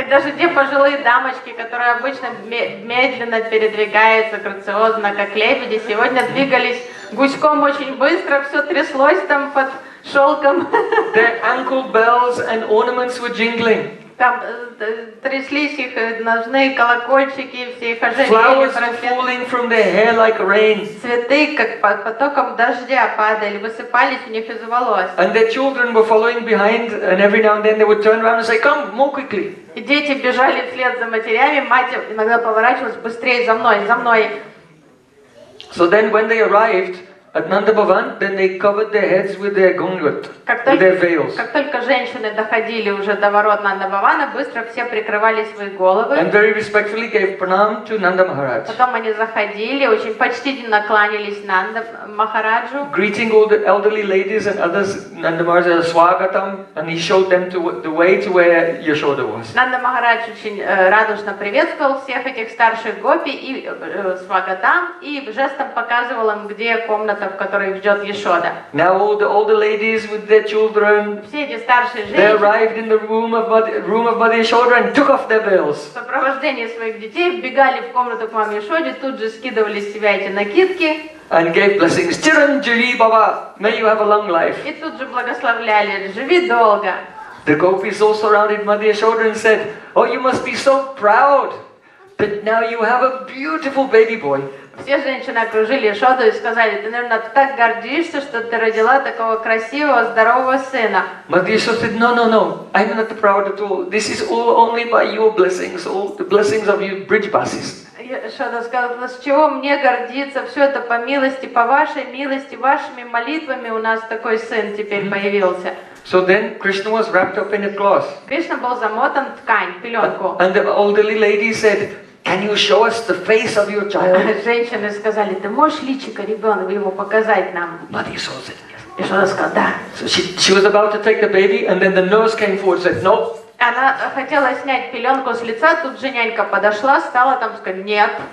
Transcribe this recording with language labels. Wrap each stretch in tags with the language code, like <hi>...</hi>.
<ru>И даже те пожилые дамочки, которые обычно медленно передвигаются грациозно, как лебеди, сегодня двигались гуськом очень быстро, все тряслось там под шелком.</ru> <en>Their ankle bells and ornaments were jingling.</en> <ru>Там тряслись их ножные колокольчики, все их ожерелья.</ru> <en>Flowers falling from their hair like rain.</en> <ru>Цветы как под потоком дождя падали, высыпались у них из волос.</ru> <en>And their children were following behind, and every now and then they would turn around and say, "Come more quickly."</en> <ru>И дети бежали вслед за матерями, мать иногда поворачивалась быстрее за мной, за мной.</ru> <en>So then, when they arrived Ananda Bhavan, then they covered their heads with their gonglet, with their veils.</en> <ru>Как только женщины доходили уже до ворот Нанда Бхавана, быстро все прикрывали свои головы.</ru> <en>And very respectfully gave pranam to Nanda Maharaj.</en> <ru>Потом они заходили, очень почтительно кланялись Нанда Махараджу.</ru> <en>Greeting all the elderly ladies and others, Nanda Maharaj said swagatam, and he showed them to the way to where Yashoda was.</en> <ru>Нанда Махарадж очень радушно приветствовал всех этих старших гопи и свагатам, и жестом показывал им, где комната, в которой ждет Яшода.</ru> <en>Now all the older ladies with their children,</en> <ru>все эти старшие женщины,</ru> <en>they arrived in the room of Mother Yashoda and took off their veils.</en> <ru>В сопровождении своих детей вбегали в комнату к маме Яшоде, тут же скидывали с себя эти накидки.</ru> <en>And gave blessings. Chiranjeevi Baba, may you have a long life.</en> <ru>И тут же благословляли, живи долго.</ru> <en>The gopis all surrounded Mother Yashoda and said, oh, you must be so proud that now you have a beautiful baby boy.</en> <ru>Все женщины окружили Яшоду и сказали, ты, наверное, так гордишься, что ты родила такого красивого, здорового сына.</ru> <en>Мадхи Яшода said, no, I'm not proud at all. This is all only by your blessings, all the blessings of you bridge buses.</en> <ru>Яшода сказала, с чего мне гордиться, все это по милости, по вашей милости, вашими молитвами у нас такой сын теперь появился.</ru> <en>So then Krishna was wrapped up in a cloth.</en> <ru>Кришна был замотан в ткань, пеленку.</ru> <en>And the elderly lady said, can you show us the face of your child?</en> <ru>Женщины сказали, ты можешь личико ребенка его показать нам?</ru> <en>Mother Yashoda said yes.</en> <ru>Яшода сказала, да.</ru> <en>So she was about to take the baby, and then the nurse came forward and said, no.</en> <ru>Она хотела снять пеленку с лица, тут же нянька подошла, стала там сказать, нет.</ru>